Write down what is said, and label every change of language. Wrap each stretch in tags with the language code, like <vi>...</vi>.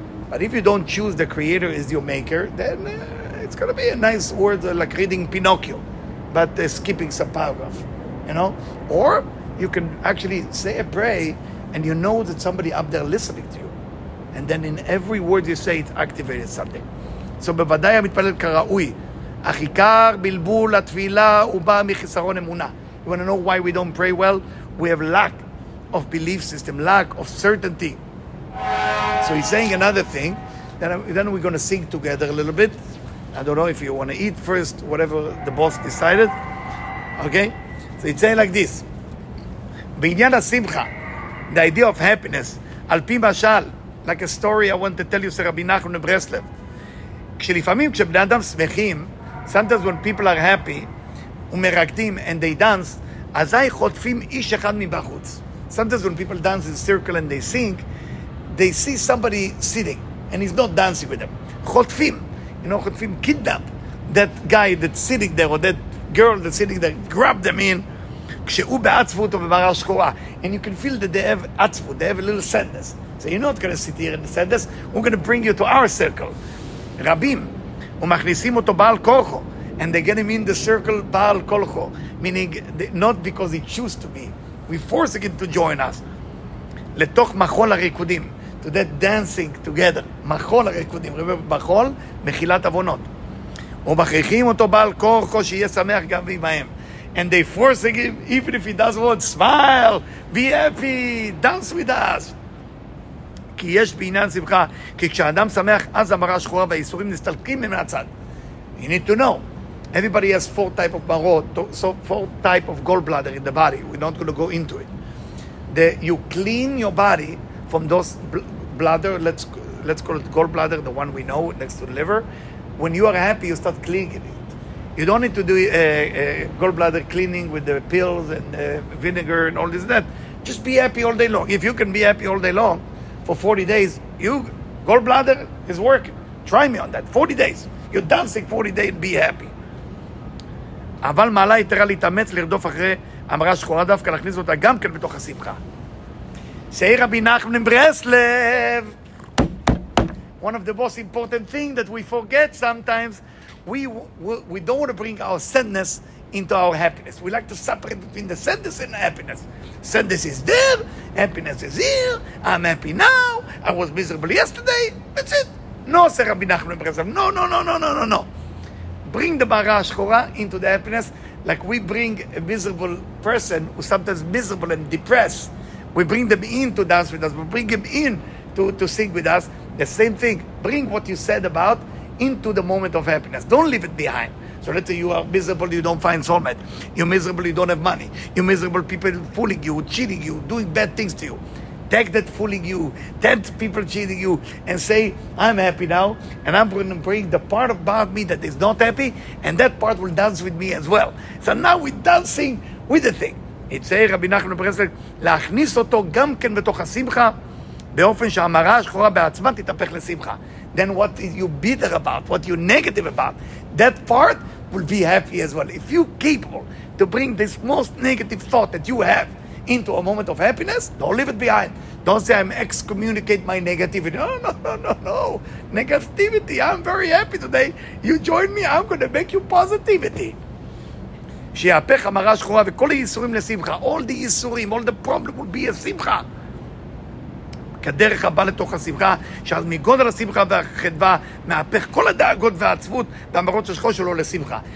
<en>But if you don't choose the creator is your maker, then it's going to be a nice word like reading Pinocchio, but skipping some paragraph, you know? Or you can actually say a prayer and you know that somebody up there listening to you. And then in every word you say, it activated something.</en> <he>So בוודאי המתפלל כראוי. אך עיקר בלבול התפילה הוא בא מחיסרון אמונה.</he> <en>You want to know why we don't pray well? We have lack of belief system, lack of certainty. So he's saying another thing. Then we're going to sing together a little bit. I don't know if you want to eat first, whatever the boss decided. Okay? So he's saying like this.</en> <he>בעניין השמחה,</he> <en>the idea of happiness,</en> <he>על פי משל,</he> <en>like a story I want to tell you, רבי נחמן מברסלב.</en> <he>כשלפעמים כשבני אדם שמחים,</he> <en>sometimes when people are happy,</en> <he>ומרקדים</he> <en>and they dance,</en> <he>אזי חוטפים איש אחד מבחוץ.</he> <en>Sometimes when people dance in a circle and they sing, they see somebody sitting, and he's not dancing with them. חוטפים, you know, חוטפים, kidnap that guy that's sitting there, or that girl that's sitting there, grab them in,</en> <he>כשהוא בעצבות או במראה שחורה.</he> <en>And you can feel that they have עצבות, they have a little sadness. So you're not going to sit here in the sadness, we're going to bring you to our circle.</en> <he>רבים, ומכניסים אותו בעל כוחו,</he> <en>and they get him in the circle</en> <he>בעל כוחו,</he> <en>meaning not because he chose to be. We force him to join us.</en> <he>לתוך מחול הריקודים,</he> <en>to that dancing together.</en> <he>מחול הריקודים, remember, מחול, מחילת אבונות. ומכריחים אותו בעל כוחו שיהיה שמח גם בימהם.</he> <en>And they force him, even if he doesn't want, smile, be happy, dance with us.</en> <he>כי יש בעניין שמחה, כי כשאדם שמח, אז המראה שחורה והאיסורים נסתלקים מהצד.</he> <en>You need to know. Everybody has four type of marot, so four type of gallbladder in the body. We're not going to go into it. You clean your body from those bladder, let's call it gallbladder, the one we know next to the liver. When you are happy, you start cleaning it. You don't need to do a gallbladder cleaning with the pills and vinegar and all this and that. Just be happy all day long. If you can be happy all day long, for 40 days, you gallbladder is working. Try me on that. 40 days. You're dancing 40 days and be happy.</en> <he>אבל מעלה יתרה להתאמץ לרדוף אחרי המראה שחורה דווקא להכניס אותה גם כן בתוך השמחה. שעיר רבי נחמן מברסלב.</he> <en>One of the most important things that we forget sometimes, we don't want to bring our sadness into our happiness. We like to separate between the sadness and the happiness. Sadness is there, happiness is here, I'm happy now, I was miserable yesterday, that's it. No, sir, Rabbi Nachman Breslev. No. Bring the Mara Shchora into the happiness, like we bring a miserable person who sometimes miserable and depressed. We bring them in to dance with us, we bring him in to sing with us. The same thing, bring what you said about into the moment of happiness. Don't leave it behind. So let's say you are miserable, you don't find soulmate. You're miserable, you don't have money. You're miserable, people fooling you, cheating you, doing bad things to you. Take that fooling you, that people cheating you, and say, I'm happy now, and I'm going to bring the part about me that is not happy, and that part will dance with me as well. So now we're dancing with the thing. It's saying,</en> <he>Rabbi Nachman Breslev, להכניס אותו גם כן בתוך השמחה, באופן שהמראה השחורה בעצמה תתהפך לשמחה.</he> <en>Then what you bitter about, what you negative about, that part will be happy as well. If you capable to bring this most negative thought that you have into a moment of happiness, don't leave it behind. Don't say I'm excommunicate my negativity. No. Negativity, I'm very happy today. You join me, I'm going to make you positivity.</en> <he>שיהפך המראה שחורה וכל היסורים לשמחה.</he> <en>All the</en> <he>יסורים,</he> <en>all the problem will be a</en> <he>שמחה. כדרך הבא לתוך השמחה, שעל מגודל השמחה והחדווה, מהפך כל הדאגות והעצבות, והמרות של שחור שלו לשמחה.</he>